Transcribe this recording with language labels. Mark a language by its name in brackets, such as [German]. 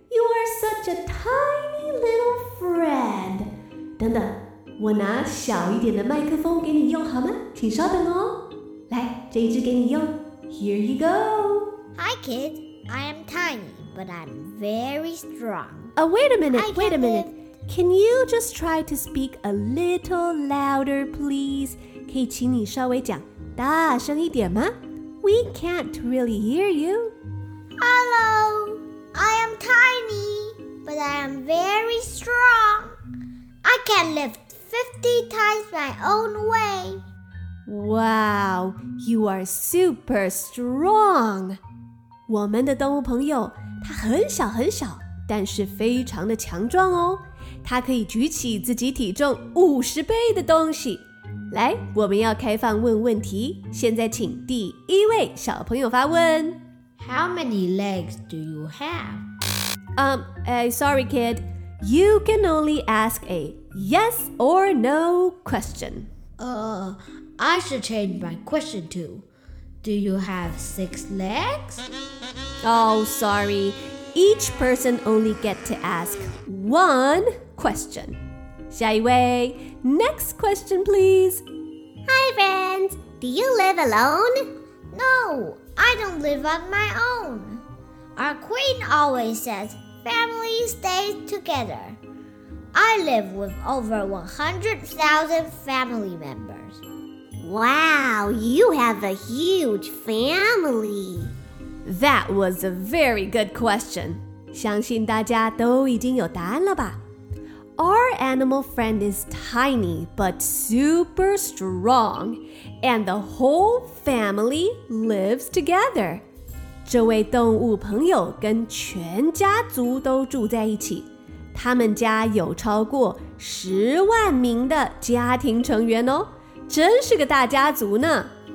[English] You are such a tiny little friend. [Chinese] 等等，我拿小一点的麦克风给你用好吗？请稍等哦。来，这一只给你用。 [English] Here you go. Hi, kid. I am tiny, but I'm very strong. Wait a minute. Can you just try to speak a little louder, please? [Chinese] 可以请你稍微讲大声一点吗 ？ [English] We can't really hear you. Hello, I am tiny, but I am very strong. I can lift 50 times my own weight. Wow, you are super strong. [Chinese] 我们的动物朋友，它很小很小，但是非常的强壮哦。它可以举起自己体重50倍的东西。来，我们要开放问问题。现在请第一位小朋友发问。 [English] How many legs do you have? Sorry, kid. You can only ask a yes or no question. I should change my question to, do you have 6 legs? Oh, sorry. Each person only get to ask 1 question. [Chinese] 下一位 [English] ，Next question, please. Hi, friends. Do you live alone? No, I don't live on my own. Our queen always says, "Family stays together." I live with over 100,000 family members. Wow, you have a huge family. That was a very good question. [Chinese] 相信大家都已经有答案了吧？ [English] Our animal friend is tiny but super strong, and the whole family lives together. [Chinese] 这位动物朋友跟全家族都住在一起，他们家有超过10万名的家庭成员哦，真是个大家族呢。